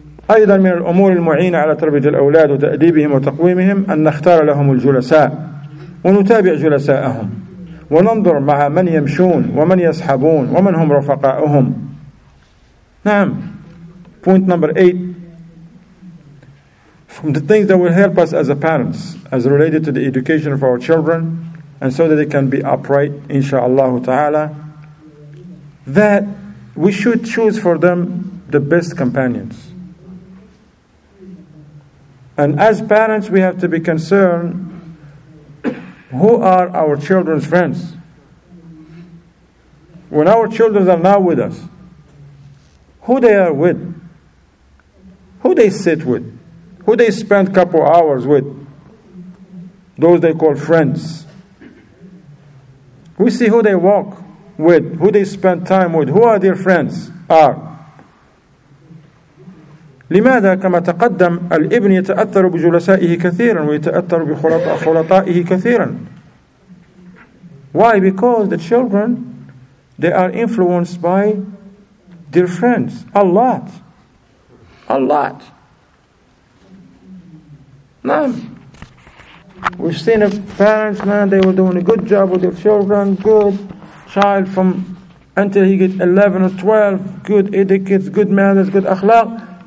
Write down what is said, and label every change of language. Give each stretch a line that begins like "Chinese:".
Arabic: أيضا من الأمور المعينة على تربية الأولاد وتأديبهم وتقويمهم أن نختار لهم الجلساء ونتابع جلساءهم وننظر مع من يمشون ومن يصحبون ومن هم رفقاؤهم.
English: نعم. Point number 8. From the things that will help us as a parents as related to the education of our children and so that they can be upright
Arabic: inshallah ta'ala,
English: that we should choose for them the best companions. And as parents, we have to be concerned, who are our children's friends? When our children are not with us, who they are with? Who they sit with? Who they spend a couple hours with? Those they call friends. We see who they walk with, who they spend time with, who are their friends are.
Arabic: لماذا كما تقدم الابن يتأثر بجلسائه كثيرا ويتأثر بخلطائه كثيرا.
English: Why? Because the children, they are influenced by their friends a lot. A lot. Now, we've seen parents, man, they were doing a good job with their children, good child from until he get 11 or 12, good etiquette, good manners, good akhlaq.